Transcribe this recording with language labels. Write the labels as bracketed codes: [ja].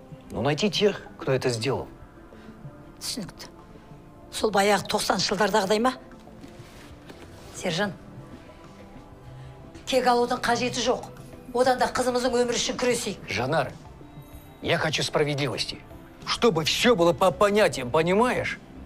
[ru] Ну, найти тех, кто это сделал. [kk] Түсінікті. Сол баяғы 90 жылдардағыдай ма? Сержан, кек алудың қажеті жоқ. Одан да қызымыздың өмірі үшін күресейік. [ru] Жанар, я хочу справедливости. Чтобы все было по понятиям, понимаешь?